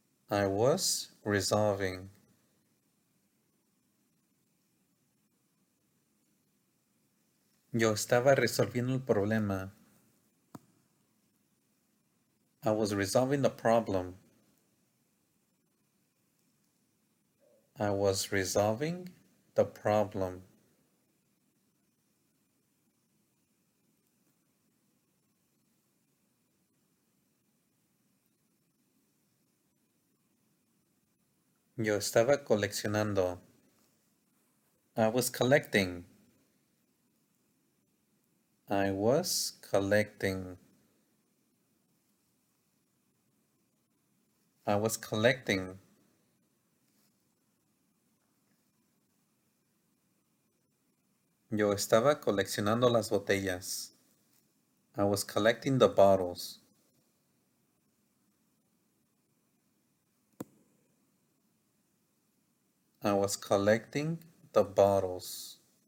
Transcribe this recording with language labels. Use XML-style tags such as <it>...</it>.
<en>I was resolving.</en> <es>Yo estaba resolviendo el problema.</es> <en>I was resolving the problem. I was resolving the problem.</en> <es>Yo estaba coleccionando.</es> <en>I was collecting. I was collecting. I was collecting.</en> <es>Yo estaba coleccionando las botellas.</es> <en>I was collecting the bottles. I was collecting the bottles.</en>